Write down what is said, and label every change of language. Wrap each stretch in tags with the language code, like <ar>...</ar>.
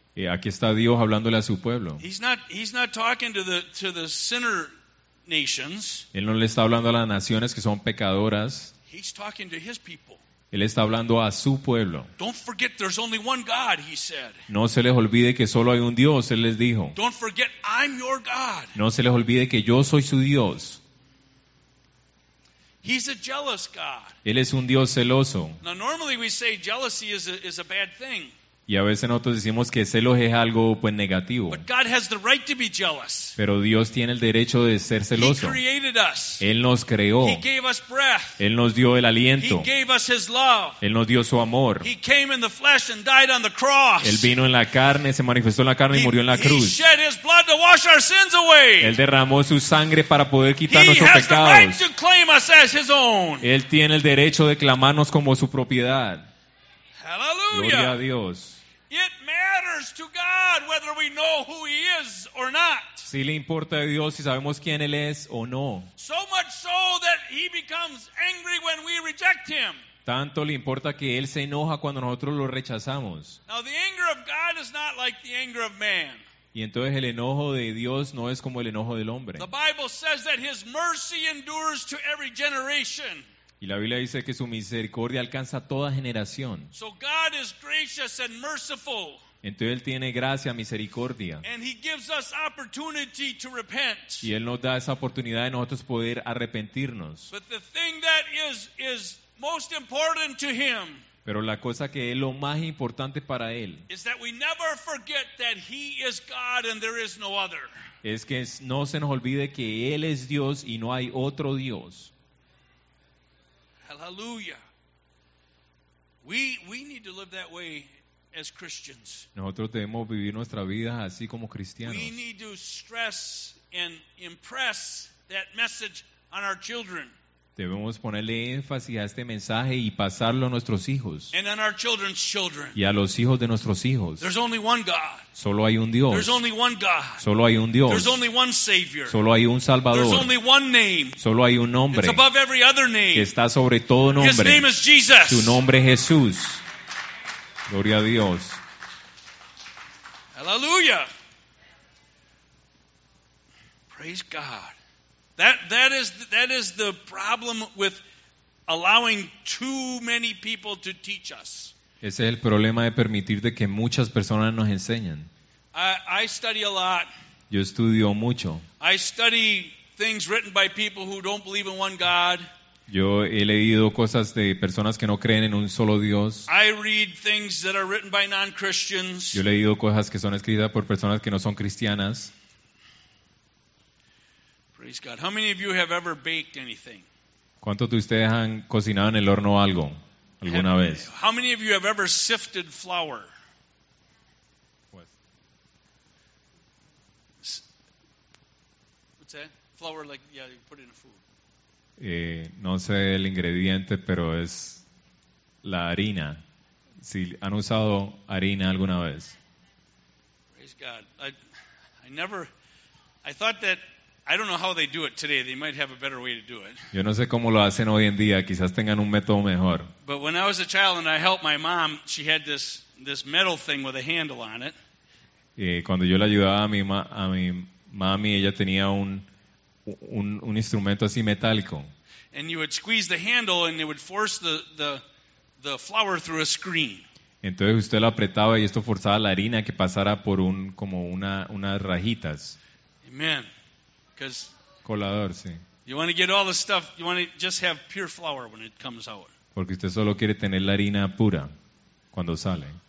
<es>Y aquí está Dios hablándole a su pueblo.</es> <en>He's not talking to the sinner nations.</en> <es>Él no le está hablando a las naciones que son pecadoras.</es> <en>He's talking to his people.</en> <es>Él está hablando a su pueblo.</es> <en>Don't forget there's only one God, he said.</en> <es>No se les olvide que solo hay un Dios, él les dijo.</es> <en>Don't forget I'm your God.</en> <es>No se les olvide que yo soy su Dios.</es> <en>He's a jealous God.</en> <es>Él es un Dios celoso.</es> <en>Now normally we say jealousy is a bad thing.</en> <es>Y a veces nosotros decimos que celos es algo pues negativo.</es> <en>But God has the right to be jealous.</en> <es>Pero Dios tiene el derecho de ser celoso.</es> <en>He created us.</en> <es>Él nos creó.</es> <en>He gave us breath.</en> <es>Él nos dio el aliento.</es> <en>He gave us his love.</en> <es>Él nos dio su amor.</es> <en>He came in the flesh and died on the cross.</en> <es>Él vino en la carne, se manifestó en la carne y murió en la cruz.</es> <en>He shed his blood to wash our sins away.</en> <es>Él derramó su sangre para poder quitar</es> <en>he</en> <es>nuestros pecados.</es> <en>He has the right to claim us as his own.</en> <es>Él tiene el derecho de clamarnos como su propiedad.</es> <en>Hallelujah.</en> <es>Gloria a Dios.</es> <en>It matters to God whether we know who he is or not.</en> <es>Sí le importa a Dios si sabemos quién él es o no.</es> <en>So much so that he becomes angry when we reject him.</en> <es>Tanto le importa que él se enoja cuando nosotros lo rechazamos.</es> <en>Now the anger of God is not like the anger of man.</en> <es>Y entonces el enojo de Dios no es como el enojo del hombre.</es> <en>The Bible says that his mercy endures to every generation.</en> <es>Y la Biblia dice que su misericordia alcanza toda generación.</es> <en>So God is gracious and merciful.</en> <es>Entonces Él tiene gracia, misericordia.</es> <en>And he gives us opportunity to repent.</en> <es>Y Él nos da esa oportunidad de nosotros poder arrepentirnos.</es> <en>But the thing that is most important to him,</en> <es>pero la cosa que es lo más importante para Él es que nunca olvidemos que Él es Dios y no hay otro Dios. Es que no se nos olvide que Él es Dios y no hay otro Dios.</es> <en>Hallelujah. We need to live that way as Christians.</en> <es>Nosotros debemos vivir nuestra vida así como cristianos.</es> <en>We need to stress and impress that message on our children.</en> <es>Debemos ponerle énfasis a este mensaje y pasarlo a nuestros hijos.</es> <en>And on our children's children.</en> <es>Y a los hijos de nuestros hijos.</es> <en>There's only one God.</en> <es>Solo hay un Dios.</es> <en>There's only one God.</en> <es>Solo hay un Dios.</es> <en>There's only one Savior.</en> <es>Solo hay un Salvador.</es> <en>There's only one name.</en> <es>Solo hay un nombre.</es> <en>It's above every other name.</en> <es>Que está sobre todo nombre.</es> <en>His name is Jesus.</en> <es>Su nombre es Jesús. Gloria a Dios.</es> <en>Hallelujah. Praise God. That is the problem with allowing too many people to teach us.</en> <es>Ese es el problema de permitir de que muchas personas nos enseñen.</es> <en>I study a lot.</en> <es>Yo estudio mucho.</es> <en>I study things written by people who don't believe in one God.</en> <es>Yo he leído cosas de personas que no creen en un solo Dios.</es> <en>I read things that are written by non-Christians.</en> <es>Yo he leído cosas que son escritas por personas que no son cristianas.</es> <en>Praise God. How many of you have ever baked anything?</en> <es>¿Cuántos de ustedes han cocinado en el horno algo alguna vez?</es> <en>How many of you have ever sifted flour? What? What's that? Flour, like, yeah, you put it in food.</en> <es>No sé el ingrediente, pero es la harina. Si han usado harina alguna vez.</es> <en>Praise God. I don't know how they do it today. They might have a better way to do it.</en> <es>Yo no sé cómo lo hacen hoy en día. Quizás tengan un método mejor.</es> <en>But when I was a child and I helped my mom, she had this metal thing with a handle on it.</en> <es>Cuando yo le ayudaba a mi mami, ella tenía un instrumento así metálico.</es> <en>And you would squeeze the handle and it would force the flour through a screen.</en> <es>Entonces usted lo apretaba y esto forzaba la harina que pasara por un como una unas rajitas.</es> <en>Amen. Because</en> <es>colador, sí.</es> <en>You want to get all the stuff. You want to just have pure flour when it comes out.</en> <es>Porque usted solo quiere tener la harina pura cuando sale.</es>